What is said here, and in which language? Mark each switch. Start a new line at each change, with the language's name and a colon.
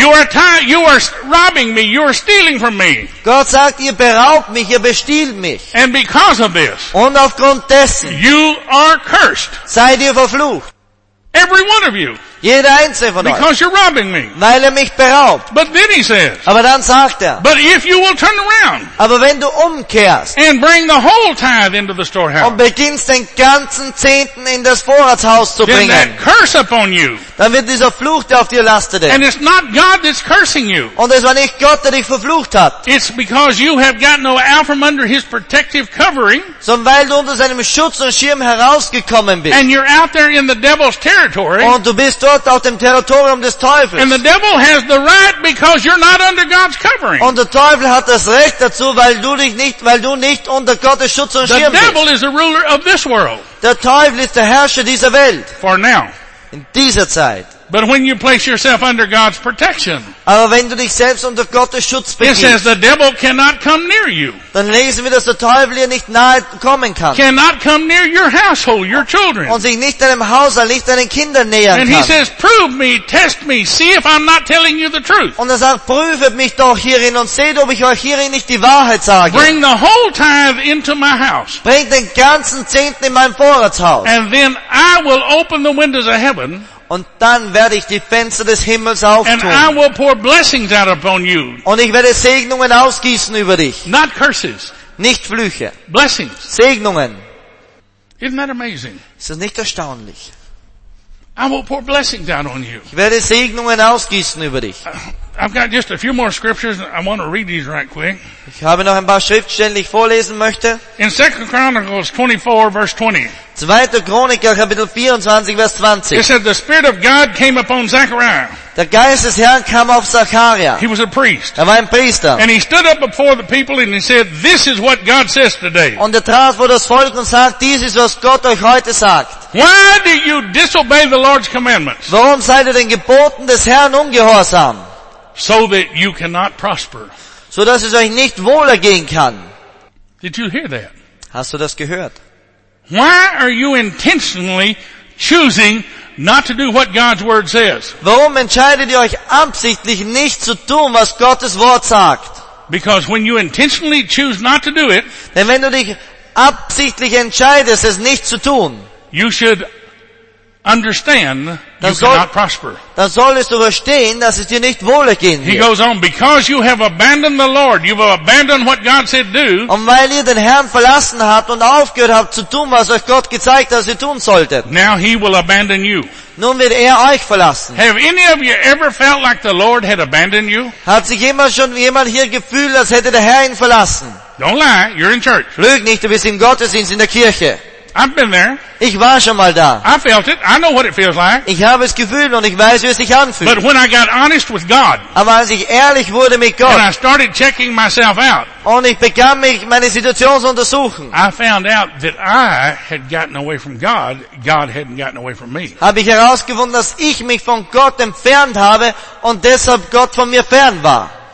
English: You are robbing me, you are stealing from me.
German: Gott sagt, ihr beraubt mich, ihr bestiehlt mich.
English: And because of this.
German: Und aufgrund dessen.
English: You are cursed.
German: Seid ihr verflucht.
English: Every one of you.
German: Jeder einzelne von euch.
English: Because you're robbing me.
German: Weil er mich beraubt.
English: But then he says.
German: Aber dann sagt er.
English: But if you will turn around.
German: Aber wenn du umkehrst.
English: And bring the whole tithe into the storehouse.
German: Und beginnst den ganzen Zehnten in das Vorratshaus zu bringen.
English: Then that curse upon you.
German: Dann wird dieser Fluch auf dir lastet.
English: And it's not God that's cursing you.
German: Und es war nicht Gott, der dich verflucht hat.
English: It's because you have gotten out from under his protective covering.
German: Sondern weil du unter seinem Schutz und Schirm herausgekommen bist.
English: And you're out there in the devil's territory.
German: Und du bist dort auf dem Territorium des Teufels.
English: And the devil has the right because you're not under God's covering.
German: Und der Teufel hat das Recht dazu, weil du nicht unter Gottes Schutz und Schirm bist.
English: The devil is the ruler of this world.
German: Der Teufel ist der Herrscher dieser Welt.
English: For now.
German: In dieser Zeit.
English: But when you place yourself under God's protection.
German: Aber wenn du dich selbst unter Gottes Schutz begibst.
English: It says the devil cannot come near you.
German: Dann lesen wir, dass der Teufel hier nicht nahe kommen kann.
English: Cannot come near your household, your children.
German: Und sich nicht deinem Haus, nicht deinen Kindern nähern
English: and
German: kann.
English: And he says, prove me, test me, see if I'm not telling you the truth.
German: Und er sagt, prüfet mich doch hierin und seht, ob ich euch hierin nicht die Wahrheit sage.
English: Bring the whole tithe into my house.
German: Bringt den ganzen Zehnten in mein Vorratshaus.
English: And then I will open the windows of heaven.
German: Und dann werde ich die Fenster des Himmels auftun.
English: And I will pour blessings out upon you.
German: Und ich werde Segnungen ausgießen über dich.
English: Not curses.
German: Nicht Flüche.
English: Blessings.
German: Segnungen.
English: Isn't that amazing?
German: Ist das nicht erstaunlich?
English: I will pour blessing down on you.
German: Ich werde Segnungen ausgießen über dich.
English: I've got just a few more scriptures. I want to read these right quick.
German: Ich habe noch ein paar Schriftstellen, die ich vorlesen möchte.
English: In 2 Chronicles 24, verse 20.
German: 2. Chroniker, Kapitel 24, Vers 20.
English: It said, the Spirit of God came upon Zechariah.
German: Der Geist des Herrn kam auf Zacharia.
English: He was a priest.
German: Er war ein Priester.
English: And he stood up before the people and he said, this is what God says today.
German: Und er trat vor das Volk und sagt, dies ist, was Gott euch heute sagt.
English: Why do you disobey the Lord's commandments?
German: Warum seid ihr den Geboten des Herrn ungehorsam?
English: So that you cannot prosper.
German: So dass es euch nicht wohlergehen kann.
English: Did you hear that?
German: Hast du das gehört?
English: Why are you intentionally choosing not to do what God's word says?
German: Warum entscheidet ihr euch absichtlich nicht zu tun, was Gottes Wort sagt?
English: Because when you intentionally choose not to do it,
German: denn wenn du dich absichtlich entscheidest, es nicht zu tun,
English: you should understand
German: dann
English: you cannot prosper.
German: Dann solltest du verstehen, dass es dir nicht wohlergehen wird.
English: He goes on, because you have abandoned the Lord, you have abandoned what God said do.
German: Und weil ihr den Herrn verlassen habt und aufgehört habt zu tun, was euch Gott gezeigt hat, dass ihr tun solltet.
English: Now he will abandon you.
German: Nun wird er euch verlassen.
English: Have any of you ever felt like the Lord had abandoned you?
German: Hat sich jemand hier gefühlt, als hätte der Herr ihn verlassen?
English: Don't lie, you're in church.
German: Lüg nicht, du bist im Gottesdienst in der Kirche.
English: I've been there.
German: Ich war schon mal da.
English: I felt it. I know what it feels like.
German: Ich habe es gefühlt und ich weiß, wie es sich anfühlt.
English: But when I got honest with God,
German: aber als ich ehrlich wurde mit Gott,
English: and I started checking myself out,
German: und ich begann mich meine Situation zu untersuchen,
English: I found out that I had gotten away from God. God hadn't gotten away from me.
German: Habe ich herausgefunden, dass ich mich von Gott entfernt habe und deshalb Gott von mir fern war.